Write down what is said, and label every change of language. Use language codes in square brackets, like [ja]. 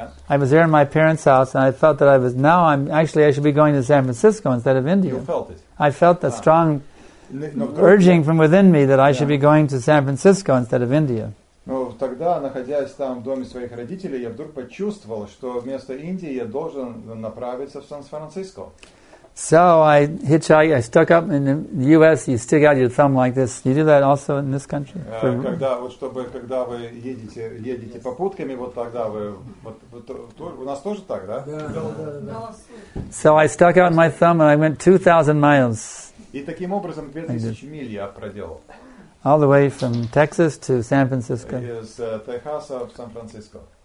[en] I was there in my parents' house, and I felt that I should be going to San Francisco instead of India. You felt it. I felt a strong urging from within me that I should be going to San Francisco instead of India. [ru] Ну тогда, находясь там в доме своих родителей, я вдруг почувствовал, что вместо Индии я должен направиться в Сан-Франциско. [en] So I hitchhiked. I stuck up in the U.S. You stick out your thumb like this. You do that also in this country? [ru] Когда вы едете попутками, вот тогда вы у нас тоже так, да? Да. [en] So I stuck out my thumb and I went 2,000 miles. [ru] И таким образом 2,000 миль я проделал. [en] All the way from Texas to San Francisco. [ru] Из Техаса в Сан-Франциско.